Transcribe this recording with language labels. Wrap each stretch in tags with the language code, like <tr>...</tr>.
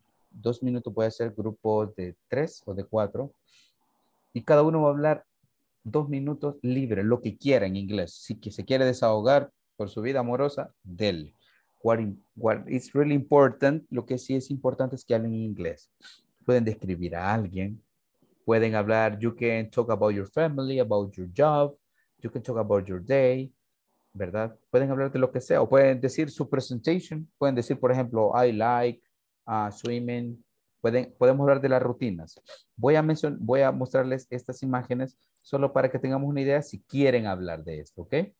<es>2 minutos puede ser grupo de 3 o de 4. Y cada uno va a hablar 2 minutos libre, lo que quiera en inglés. Si que se quiere desahogar por su vida amorosa, dele.</es> <en>It's really important.</en> <es>Lo que sí es importante es que hablen en inglés. Pueden describir a alguien. Pueden hablar,</es> <en>you can talk about your family, about your job. You can talk about your day, ¿verdad?</en> <es>Pueden hablar de lo que sea. O pueden decir su presentation. Pueden decir, por ejemplo,</es> <en>I like swimming.</en> <es>Podemos hablar de las rutinas. Voy a mostrarles estas imágenes solo para que tengamos una idea si quieren hablar de esto, ¿ok?</es>